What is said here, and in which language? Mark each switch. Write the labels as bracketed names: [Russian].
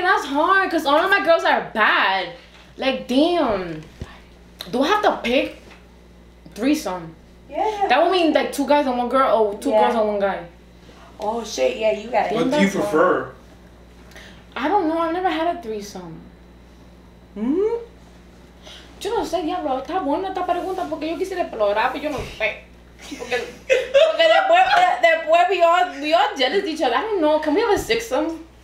[English] That's hard because all of my girls are bad. Like, damn. Do I have to pick? Threesome. Yeah. That would mean like two guys and one girl or two girls and one guy. Oh shit, yeah, you got it. What do you prefer? I don't know, I've never had a threesome. [Spanish] Yo no sé, diablo, está buena esta pregunta porque yo quisiera explorar, pero yo no sé. Porque después [English] we all jealous each other. I don't know, can we have a sixsome?